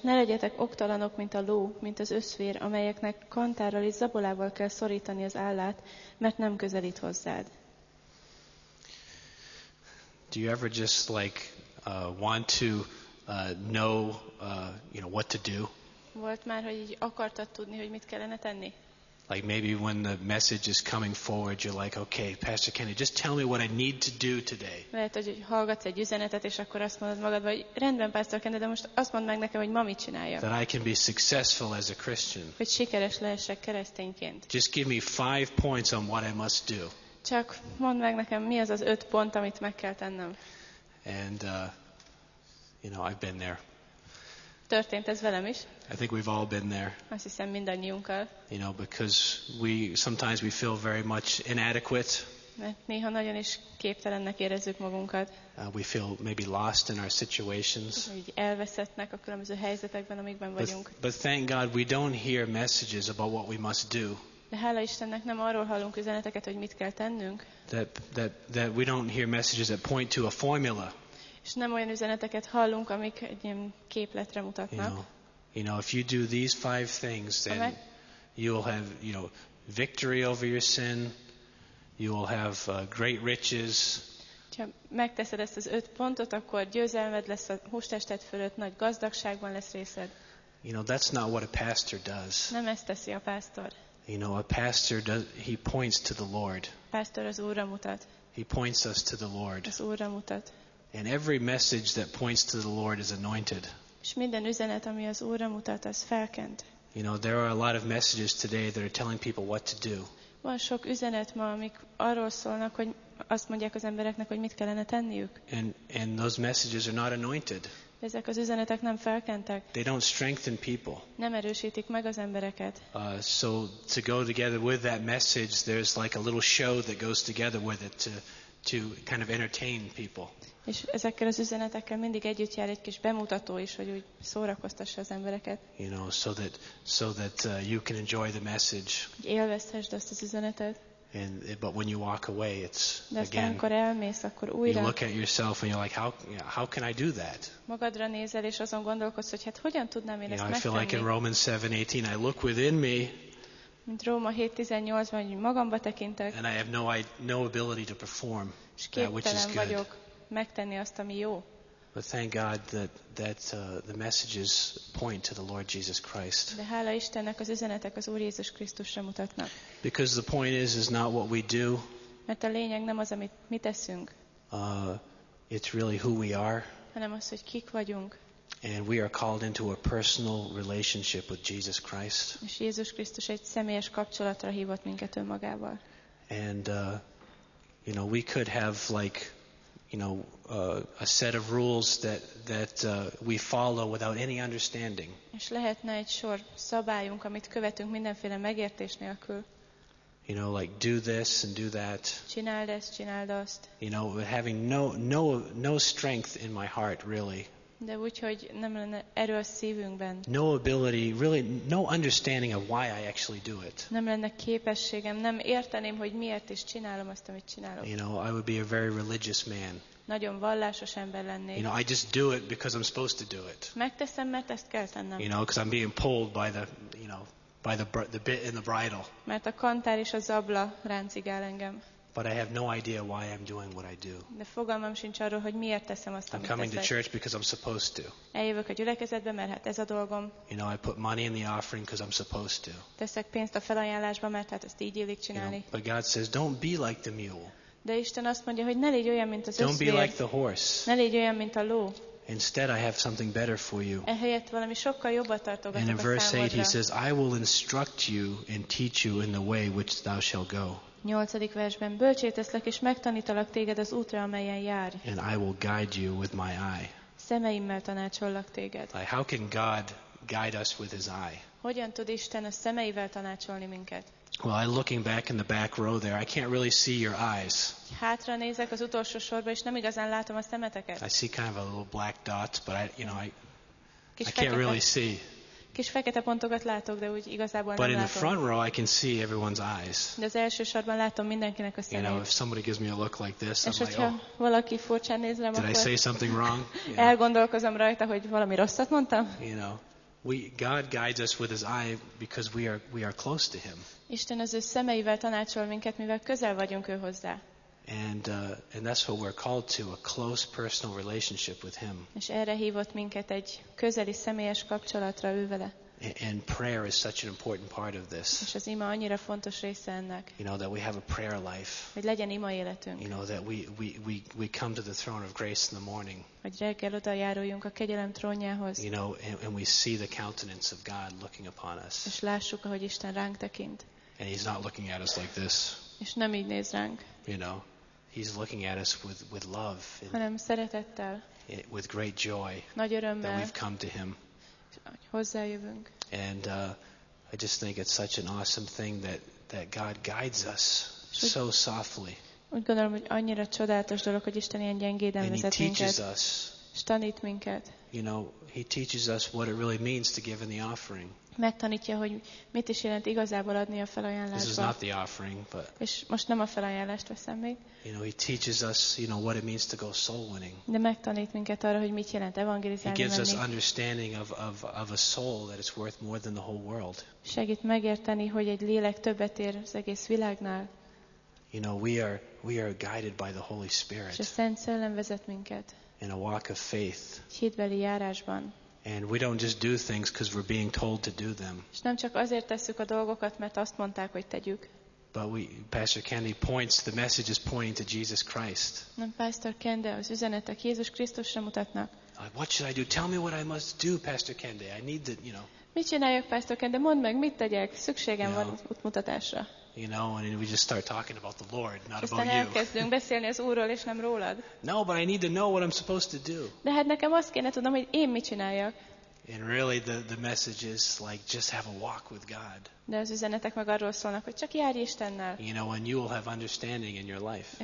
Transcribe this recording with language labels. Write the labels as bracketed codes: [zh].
[hu] Ne legyetek oktalanok, mint a ló, mint az összvér, amelyeknek kantárral és zabolával kell szorítani az állát, mert nem közelít hozzád. [en] Do you ever just like want to know you know what to do? [hu] Volt már, hogy így akartad tudni, hogy mit kellene tenni? [en] Like maybe when the message is coming forward, you're like, okay, Pastor Kenny, just tell me what I need to do today. [hu] Lehet, hogy hallgatsz egy üzenetet, és akkor azt mondod magadba, hogy rendben, Pastor Kenny, de most azt mondd meg nekem, hogy ma mit csináljak. [en] That I can be successful as a Christian. [hu] Hogy sikeres lehessek keresztényként. [en] Just give me 5 points on what I must do. [hu] Csak mondd meg nekem, mi az az 5 pont, amit meg kell tennem. [en] And, you know, I've been there. [hu] Történt ez velem is. [en] I think we've all been there. [hu] Azt hiszem, mindannyiunkkal. [en] You know, because sometimes we feel very much inadequate. [hu] Mert néha nagyon is képtelennek érezzük magunkat. [en] We feel maybe lost in our situations. [hu] Úgy elveszettnek a különböző helyzetekben, amikben vagyunk. [en] But thank God we don't hear messages about what we must do. [hu] De hála Istennek nem arról hallunk üzeneteket, hogy mit kell tennünk. [en] That we don't hear messages that point to a formula. [hu] És nem olyan üzeneteket hallunk, amik egy ilyen képletre mutatnak. [en] You know, if you do these 5 things, then you'll have, you know, victory over your sin, you'll have great riches. [hu] Ha megteszed ezt az 5 pontot, akkor győzelmed lesz a hústested fölött, nagy gazdagságban lesz részed. [en] You know, that's not what a pastor does. [hu] Nem ezt teszi a pásztor. [en] You know, a pastor does, he points to the Lord. [hu] A pásztor az Úrra mutat. [en] He points us to the Lord. [hu] Az Úrra mutat. [en] And every message that points to the Lord is anointed. [hu] És minden üzenet, ami az Úrra mutat, az felkent. [en] You know, there are a lot of messages today that are telling people what to do. [hu] Van sok üzenet ma, amik arról szólnak, hogy azt mondják az embereknek, hogy mit kellene tenniük. [en] And those messages are not anointed. [hu] Ezek az üzenetek nem felkentek. [en] They don't strengthen people. [hu] Nem erősítik meg az embereket. [en] So to go together with that message, there's like a little show that goes together with it to kind of entertain people. [hu] És ezekkel az üzenetekkel mindig együtt jár egy kis bemutató is, hogy úgy szórakoztassa az embereket. [en] You know, so that you can enjoy the message. [hu] Hogy élvezhessd azt az üzenetet. [en] But when you walk away, it's again. [hu] Amikor elmész, akkor újra. [en] You look at yourself and you're like, how can I do that? [hu] Magadra nézel és azon gondolkodsz, hogy hát hogyan tudnám én ezt megtenni? [en] I feel like in Romans 7:18, I look within me. [hu] Mint Róma 7:18-ban, hogy magamba tekintek. [en] And I have no ability to perform that which is good. [hu] Vagyok megtenni azt, ami jó. [en] But thank God that the messages point to the Lord Jesus Christ. [hu] De hála Istennek, az üzenetek az Úr Jézus Krisztusra mutatnak. [en] Because the point is not what we do. [hu] Mert a lényeg nem az, amit mi teszünk. [en] It's really who we are. [hu] Hanem az, hogy kik vagyunk. [en] And we are called into a personal relationship with Jesus Christ. [hu] És Jézus Krisztus egy személyes kapcsolatra hívott minket önmagával. [en] And you know, we could have like, you know, a set of rules that we follow without any understanding. [hu] És lehetne egy sor szabályunk, amit követünk mindenféle megértés nélkül. [en] You know, like do this and do that. [hu] Csináld ezt, csináld azt. [en] You know, having no strength in my heart, really. [hu] De úgy, hogy nem lenne erő a szívünkben. [en] No ability, really, no understanding of why I actually do it. [hu] Nem lenne képességem, nem érteném, hogy miért is csinálom azt, amit csinálok. [en] You know, I would be a very religious man. [hu] Nagyon vallásos ember lennék. [en] You know, I just do it because I'm supposed to do it. [hu] Megteszem, mert ezt kell tennem. [en] You know, because I'm being pulled by the bit in the bridle. [hu] Mert a kantár és a zabla ráncigál engem. [en] But I have no idea why I'm doing what I do. [hu] De fogalmam sincs arról, hogy miért teszem azt, amit teszek. [en] I'm coming to church because I'm supposed to. [hu] Eljövök a gyülekezetbe, mert hát ez a dolgom. [en] You know, I put money in the offering because I'm supposed to. [hu] Teszek pénzt a felajánlásba, mert hát ezt így illik csinálni. [en] But God says, don't be like the mule. [hu] De Isten azt mondja, hogy ne légy olyan, mint az [en] don't [hu] összvér. [en] Be like the horse. [hu] Ne légy olyan, mint a ló. [en] Instead, I have something better for you. [hu] Ehelyett valami sokkal jobbat tartogatok a számodra. [en] And in verse 8, he says, I will instruct you and teach you in the way which thou shall go. [hu] 8. versben bölcsé teszlek és megtanítalak téged az útra, amelyen járj. [en] And I will guide you with my eye. [hu] Szemeimmel tanácsollak téged. [en] Like, how can God guide us with his eye? [hu] Hogyan tud Isten a szemeivel tanácsolni minket? [en] Well, I'm looking back in the back row there. I can't really see your eyes. [hu] Hátra nézek az utolsó sorba és nem igazán látom a szemeteket. [en] I see kind of a little black dot, but I can't really see. [hu] Kis fekete pontokat látok, de úgy igazából nem látom. [en] But in the front row I can see everyone's eyes. [hu] De az első sorban látom mindenkinek a szemét. [en] You know, if somebody gives me a look like this, [hu] és hogyha valaki furcsán néz rám, [en] did I say something wrong? [hu] Elgondolkozom rajta, hogy valami rosszat mondtam. [en] You know, God guides us with his eye because we are close to him. [hu] Isten az ő szemeivel tanácsol minket, mivel közel vagyunk ő hozzá. [en] And that's what we're called to, a close personal relationship with him. [hu] És erre hívott minket egy közeli személyes kapcsolatra ő vele. [en] And prayer is such an important part of this. [hu] És az ima annyira fontos része ennek. [en] You know, that we have a prayer life. [hu] Hogy legyen ima életünk. [en] You know, that we come to the throne of grace in the morning. [hu] Hogy reggel odajáruljunk a kegyelem trónjához. [en] You know, and we see the countenance of God looking upon us. [hu] És lássuk, ahogy Isten ránk tekint. [en] And he's not looking at us like this. [hu] És nem így néz ránk. [en] You know, he's looking at us with love. [hu] Hanem szeretettel. [en] With great joy. [hu] Nagy örömmel. [en] That we've come to him. [hu] Hozzájövünk. [en] And I just think it's such an awesome thing that God guides us so softly. [hu] Úgy gondolom, hogy annyira csodálatos dolog, hogy Isten ilyen gyengéden vezet minket. [en] He teaches us. [hu] És tanít minket. [en] You know, he teaches us what it really means to give in the offering. [hu] Megtanítja, hogy mit is jelent igazából adni a felajánlásba. [en] This is not the offering, but. [hu] És most nem a felajánlást veszem még. [en] You know, he teaches us, you know, what it means to go soul winning. [hu] De megtanít minket arra, hogy mit jelent evangelizálni. [en] He gives us understanding of a soul that it's worth more than the whole world. [hu] Segít megérteni, hogy egy lélek többet ér az egész világnál. [en] You know, we are guided by the Holy Spirit. [hu] És a Szent Szellem vezet minket. [en] In a walk of faith. [hu] Hitbeli járásban. [en] And we don't just do things because we're being told to do them. [hu] És nem csak azért tesszük a dolgokat, mert azt mondták, hogy tegyük. [en] But Pastor Kendi points, the message is pointing to Jesus Christ. [hu] Nem, Pastor Kendi, az üzenetek Jézus Krisztusra mutatnak. [en] What should I do? Tell me what I must do, Pastor Kendi. I need to, you know. [hu] Mit csináljak, Pastor Kendi? Mondd meg, mit tegyek? Szükségem van útmutatásra. [en] You know, and we just start talking about the Lord, not about you. [hu] Elkezdünk beszélni az Úrról, és nem rólad. [en] No, but I need to know what I'm supposed to do. [hu] De hát nekem azt kéne tudnom, hogy én mit csináljak. [en] And really the message is like just have a walk with God. [hu] De az üzenetek meg arról szólnak, hogy csak járj Istennel. [en] You know, and you will have understanding in your life.